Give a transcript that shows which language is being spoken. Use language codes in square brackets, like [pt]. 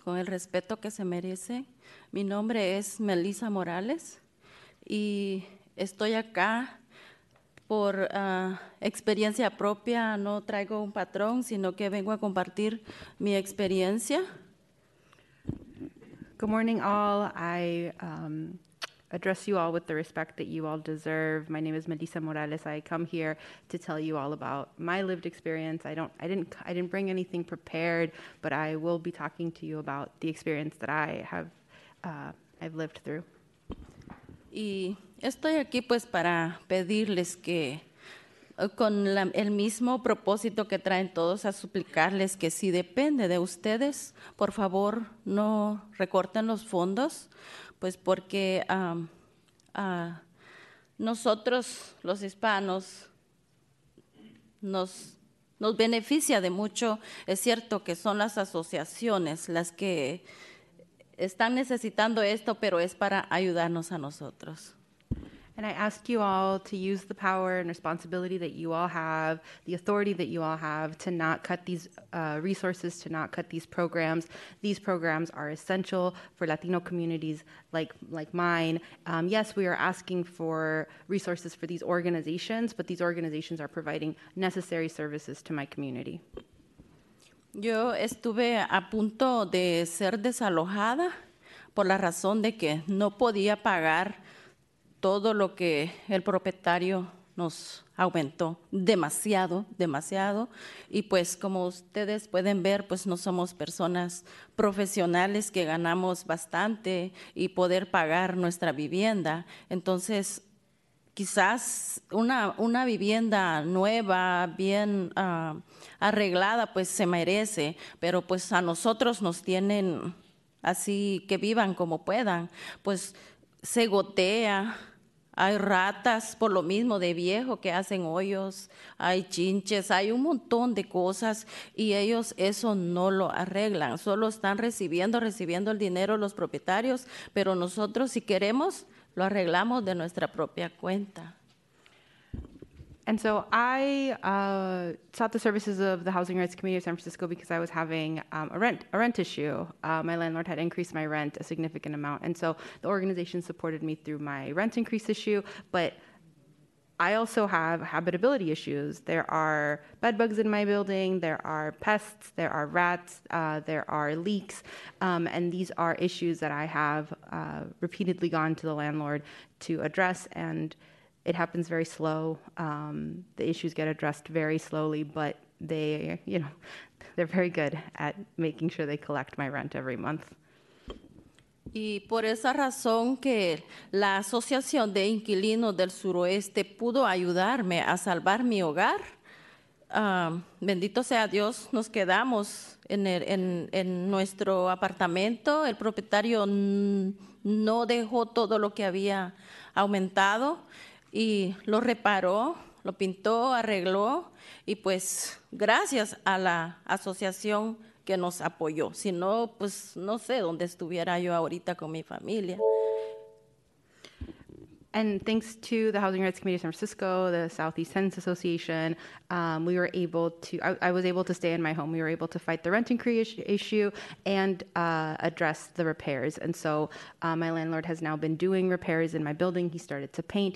[es] Con el respeto que se merece, mi nombre es Melissa Morales, y estoy acá por experiencia propia. No traigo un patrón, sino que vengo a compartir mi experiencia. [en] Good morning, all. I address you all with the respect that you all deserve. My name is Melissa Morales. I come here to tell you all about my lived experience. I didn't bring anything prepared, but I will be talking to you about the experience that I have I've lived through. [es] Y estoy aquí pues para pedirles que con el mismo propósito que traen todos, a suplicarles que si depende de ustedes, por favor no recorten los fondos, pues porque nosotros los hispanos nos beneficia de mucho. Es cierto que son las asociaciones las que están necesitando esto, pero es para ayudarnos a nosotros. [en] And I ask you all to use the power and responsibility that you all have, the authority that you all have, to not cut these resources, to not cut these programs. These programs are essential for Latino communities like mine. Yes, we are asking for resources for these organizations, but these organizations are providing necessary services to my community. [es] Yo estuve a punto de ser desalojada por la razón de que no podía pagar todo lo que el propietario nos aumentó, demasiado, demasiado. Y pues como ustedes pueden ver, pues no somos personas profesionales que ganamos bastante y poder pagar nuestra vivienda. Entonces, quizás una vivienda nueva, bien arreglada, pues se merece, pero pues a nosotros nos tienen así que vivan como puedan. Pues se gotea. Hay ratas por lo mismo de viejo que hacen hoyos, hay chinches, hay un montón de cosas y ellos eso no lo arreglan. Solo están recibiendo el dinero los propietarios, pero nosotros si queremos lo arreglamos de nuestra propia cuenta. [en] And so I sought the services of the Housing Rights Committee of San Francisco because I was having a rent issue. My landlord had increased my rent a significant amount. And so the organization supported me through my rent increase issue. But I also have habitability issues. There are bed bugs in my building. There are pests. There are rats. There are leaks. And these are issues that I have repeatedly gone to the landlord to address. And it happens very slow. The issues get addressed very slowly, but they, you know, they're very good at making sure they collect my rent every month. [es] Y por esa razón que la Asociación de Inquilinos del Suroeste pudo ayudarme a salvar mi hogar, bendito sea Dios, nos quedamos en nuestro apartamento. El propietario no dejó todo lo que había aumentado y lo reparó, lo pintó, arregló. Y pues gracias a la asociación que nos apoyó. Si no, pues no sé dónde estuviera yo ahorita con mi familia. [en] And thanks to the Housing Rights Committee of San Francisco, the Southeast Tenants Association, I was able to stay in my home. We were able to fight the rent increase issue and address the repairs. And so my landlord has now been doing repairs in my building. He started to paint.